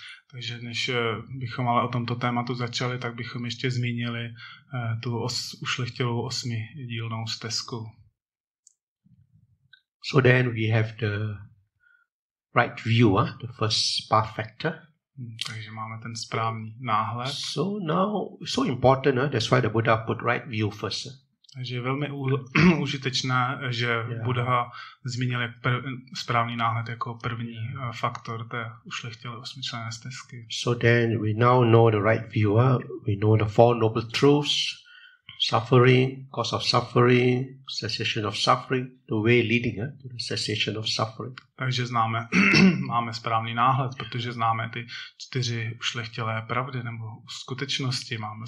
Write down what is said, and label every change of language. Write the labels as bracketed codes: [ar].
[cs] Takže než bychom ale o tomto tématu začali, tak bychom ještě zmínili tu ušlechtilou osmidílnou stezku. [en] So then we have the right view, the first path factor. [cs] Takže máme ten správný náhled. [en] So now, so important, that's why the Buddha put right view first. [cs] Takže je velmi užitečné, že Buddha zmínil jak správný náhled jako první faktor té ušlechtilé osmičlené stezky. [en] So then we now know the right view. We know the four noble truths: suffering, cause of suffering, cessation of suffering, the way leading to the cessation of suffering. [cs] Takže známe, máme správný náhled, protože známe ty čtyři ušlechtilé pravdy nebo skutečnosti.